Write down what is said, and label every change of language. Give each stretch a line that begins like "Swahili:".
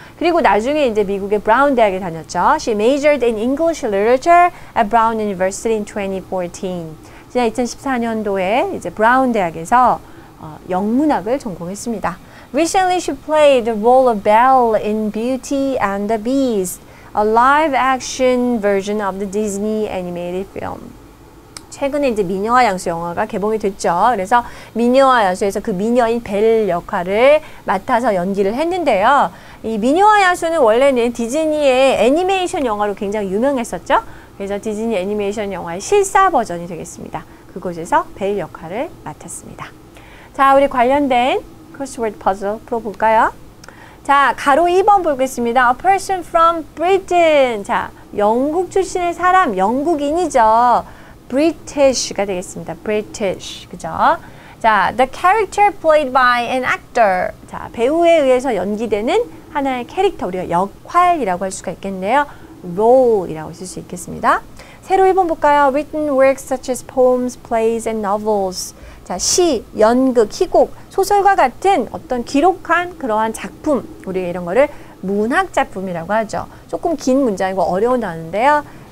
Korean: 그리고 나중에 이제 미국의 브라운 대학에 다녔죠.
English: She majored in English Literature at Brown University in 2014.
Korean: 지난 2014년도에 이제 브라운 대학에서 영문학을 전공했습니다.
English: Recently, she played the role of Belle in Beauty and the Beast, a live-action version of the Disney animated film.
Korean: 최근에 이제 미녀와 양수 영화가 개봉이 됐죠. 그래서 미녀와 양수에서 그 미녀인 벨 역할을 맡아서 연기를 했는데요. 이 미녀와 양수는 원래는 디즈니의 애니메이션 영화로 굉장히 유명했었죠. 그래서 디즈니 애니메이션 영화의 실사 버전이 되겠습니다. 그곳에서 벨 역할을 맡았습니다. 자, 우리 관련된 crossword puzzle 풀어볼까요? 자, 가로 2번 보겠습니다.
English: A person from Britain.
Korean: 자, 영국 출신의 사람, 영국인이죠.
English: British가
Korean: 되겠습니다.
English: British, 그죠? 자, the character played by an actor.
Korean: 자, 배우에 의해서 연기되는 하나의 캐릭터, 우리가 역할이라고 할 수가 있겠네요. role이라고 쓸 수 있겠습니다. 새로 1번 볼까요?
English: Written works such as poems, plays, and novels.
Korean: 자, 시, 연극, 희곡, 소설과 같은 어떤 기록한 그러한 작품, 우리가 이런 거를 문학 작품이라고 하죠. 조금 긴 문장이고 어려운 단어인데요.